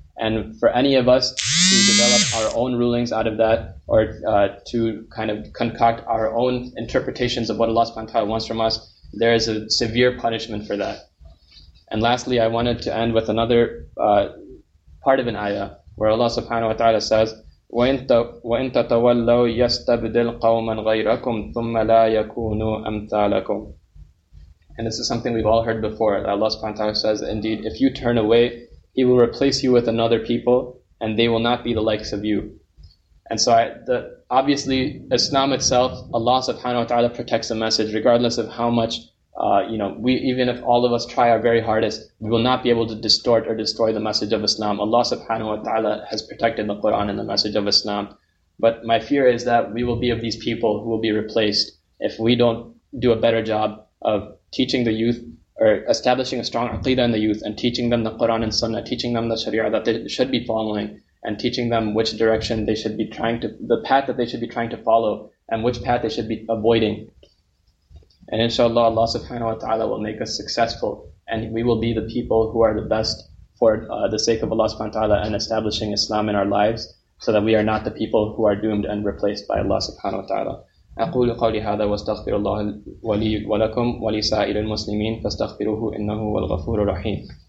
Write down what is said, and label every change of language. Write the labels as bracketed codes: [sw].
[en] And for any of us to develop our own rulings out of that, or to kind of concoct our own interpretations of what Allah subhanahu wa ta'ala wants from us, there is a severe punishment for that. And lastly, I wanted to end with another part of an ayah where Allah subhanahu wa ta'ala says, [ar] وإن تتولوا يستبدل قوما غيركم ثم لا يكونوا أمثالكم. [en] And this is something we've all heard before. Allah subhanahu wa ta'ala says, indeed, if you turn away, he will replace you with another people, and they will not be the likes of you. And so obviously, Islam itself, Allah subhanahu wa ta'ala protects the message, regardless of how much, even if all of us try our very hardest, we will not be able to distort or destroy the message of Islam. Allah subhanahu wa ta'ala has protected the Quran and the message of Islam. But my fear is that we will be of these people who will be replaced if we don't do a better job of teaching the youth or establishing a strong aqidah in the youth and teaching them the Quran and Sunnah, teaching them the Sharia that they should be following and teaching them which direction they should be trying to, the path that they should be trying to follow and which path they should be avoiding. And inshallah, Allah subhanahu wa ta'ala will make us successful and we will be the people who are the best for the sake of Allah subhanahu wa ta'ala and establishing Islam in our lives so that we are not the people who are doomed and replaced by Allah subhanahu wa ta'ala. [ar] أقول قولي هذا واستغفر الله لي ولكم ولسائر المسلمين فاستغفروه إنه هو الغفور الرحيم.